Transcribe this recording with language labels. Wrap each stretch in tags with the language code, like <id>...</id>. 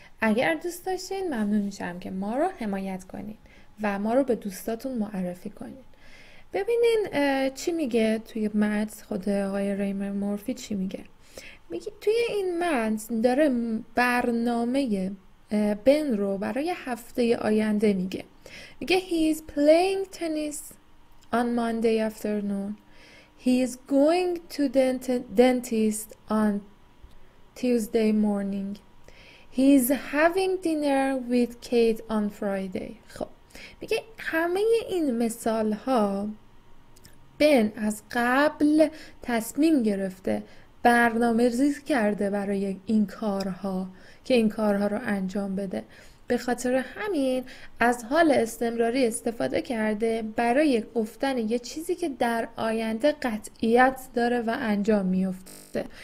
<fa>اگر دوست داشتین ممنون میشم که ما رو حمایت کنین و ما رو به دوستاتون معرفی کنین. ببینین چی میگه توی متن. خود آقای ریمر مورفی چی میگه؟ میگه توی این متن داره برنامه بن رو برای هفته آینده میگه. میگه</fa> <en>he is playing tennis on Monday afternoon. He is going to the dentist on Tuesday morning. He is having dinner with Kate on Friday.</en> <fa>خب میگه همه این مثال ها بن از قبل تصمیم گرفته، برنامه ریزی کرده برای این کارها که این کارها رو انجام بده. به خاطر همین از حال استمراری استفاده کرده برای گفتن یه چیزی که در آینده قطعیت داره و انجام میفته.</fa>